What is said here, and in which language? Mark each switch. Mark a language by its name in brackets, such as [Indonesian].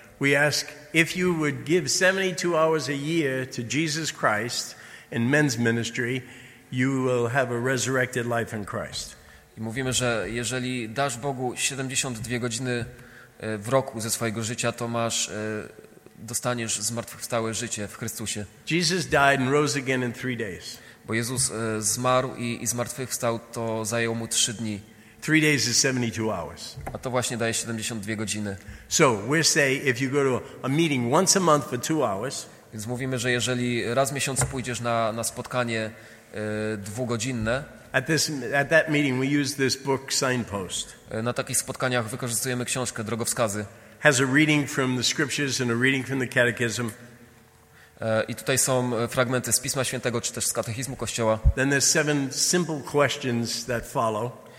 [English] We ask if you would give 72 hours a year to Jesus Christ in men's ministry, you will have a resurrected life in Christ. [Polish] I mówimy, że jeżeli dasz Bogu 72 godziny w roku ze swojego życia, to dostaniesz zmartwychwstałe życie w Chrystusie. [English] Jesus died and rose again in 3 days. [Polish] Bo Jezus zmarł i zmartwychwstał, to zajęło mu 3 dni. [English] 3 days is 72 hours. [Polish] A to właśnie daje 72 godziny. [English] So we say if you go to a meeting once a month for 2 hours. [Polish] Więc mówimy, że jeżeli raz w miesiąc pójdziesz na spotkanie dwugodzinne. [English] At that meeting we use this book Signpost. [Polish] Na takich spotkaniach wykorzystujemy książkę Drogowskazy. [English] Has a reading from the scriptures and a reading from the catechism. [Polish] I tutaj są fragmenty z Pisma Świętego czy też z katechizmu Kościoła. [English] Then there's 7 simple questions that follow.